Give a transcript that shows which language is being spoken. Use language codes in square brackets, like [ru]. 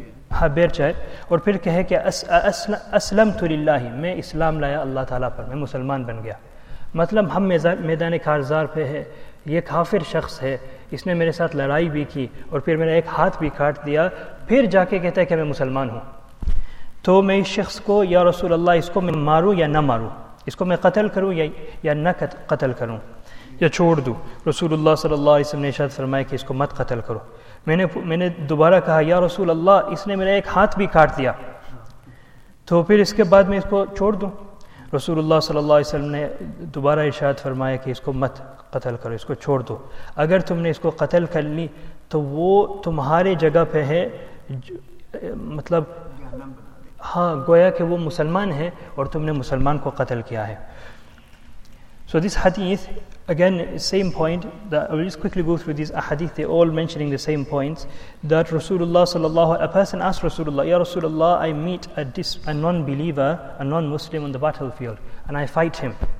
[ur] haber chahe aur phir kahe ke aslamtu lillahi, main islam laya Allah taala par, main musalman ban gaya, matlab hum maidan e karzar pe hai, ye kafir shakhs hai, isne mere sath ladai bhi ki aur phir mera ek haath bhi kaat diya, phir ja ke kehta hai ke main musalman hoon, تو میں اس شخص کو یا رسول اللہ اس کو میں ماروں یا نہ ماروں, اس کو میں قتل کروں یا نہ قتل کروں یا چھوڑ دوں. رسول اللہ صلی اللہ علیہ وسلم نے ارشاد فرمایا کہ اس کو مت قتل کرو. میں نے دوبارہ کہا یا رسول اللہ اس نے میرا ایک ہاتھ بھی کاٹ دیا, تو پھر اس کے بعد میں اس کو چھوڑ دوں؟ رسول اللہ صلی اللہ علیہ وسلم نے دوبارہ ارشاد فرمایا کہ اس کو مت قتل کرو, اس کو چھوڑ دو. اگر تم نے اس کو قتل کر لی تو وہ تمہارے جگہ پہ ہے, مطلب ہاں گویا کہ وہ مسلمان ہے اور تم نے مسلمان کو قتل کیا ہے. [en] So this hadith, again same point, that I will just quickly go through these ahadith, they all mentioning the same points, that Rasulullah sallallahu, a person asked Rasulullah, Ya Rasulullah, I meet a non-believer, a non-Muslim on the battlefield, and I fight him.